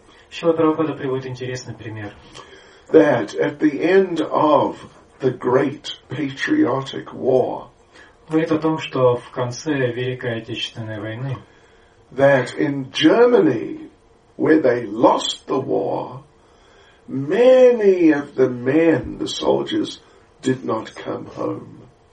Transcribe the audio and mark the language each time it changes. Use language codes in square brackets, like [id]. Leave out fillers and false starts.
[ru] Шрила Прабхупада приводит интересный пример. [en] That at the end of the Great Patriotic War. [ru] Говорит о том, что в конце Великой Отечественной войны. [en] That in Germany, where they lost the war, many of the men, the soldiers, did not come home.